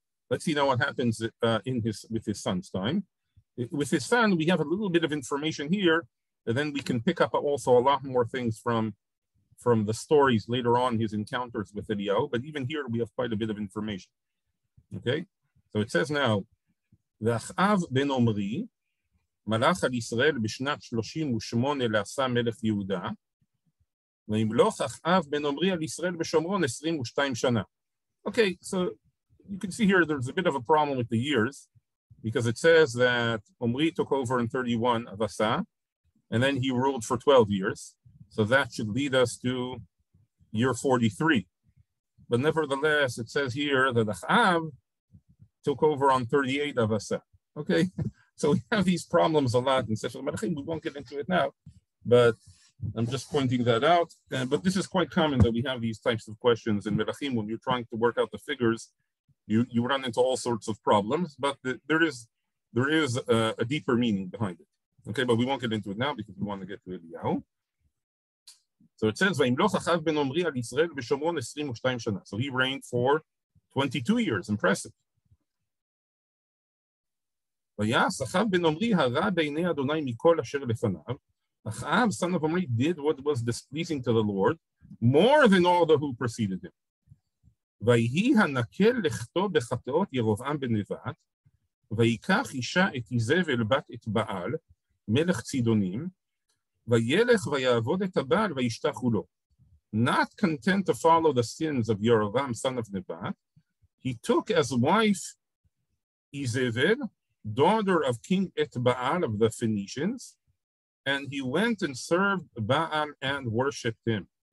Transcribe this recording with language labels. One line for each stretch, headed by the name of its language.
English: Let's see now what happens with his son's time. With his son, we have a little bit of information here, and then we can pick up also a lot more things from the stories later on, his encounters with Eliyahu. But even here, we have quite a bit of information. Okay? So it says now,
Hebrew: V'achav ben Omri, מלך על ישראל בשנת 38 לעשה מלך יהודה, וימלוך אחאב בן עמרי על ישראל בשומרון 22 שנה.
English: Okay, so you can see here there's a bit of a problem with the years, because it says that Omri took over in 31 of Asa, and then he ruled for 12 years. So that should lead us to year 43. But nevertheless, it says here that אחאב took over on 38 of Asa. Okay. So we have these problems a lot in Sefer Melachim. We won't get into it now, but I'm just pointing that out. But this is quite common that we have these types of questions in Melachim. When you're trying to work out the figures, you run into all sorts of problems, but there is a deeper meaning behind it. Okay, but we won't get into it now because we want to get to Eliyahu. So it says,
Hebrew: Vayimloch achav ben Omri al Yisrael b'shomron 22 shana.
English: So he reigned for 22 years. Impressive.
Hebrew: ויעש אחאב בן עמרי הרע בעיני אדוני מכל אשר לפניו.
English: אחאב, son of Omri, did what was displeasing to the Lord, more than all the who preceded him.
Hebrew: ויהי הנקל לכתו בחטאות ירובעם בנבט, ויקח אישה את איזבל בת את בעל, מלך צידונים, וילך ויעבוד את הבעל וישתחו לו.
English: Not content to follow the sins of Yerovam, son of Nebat, he took as wife Izebel, daughter of King Etbaal of the Phoenicians, and he went and served Baal and worshipped him.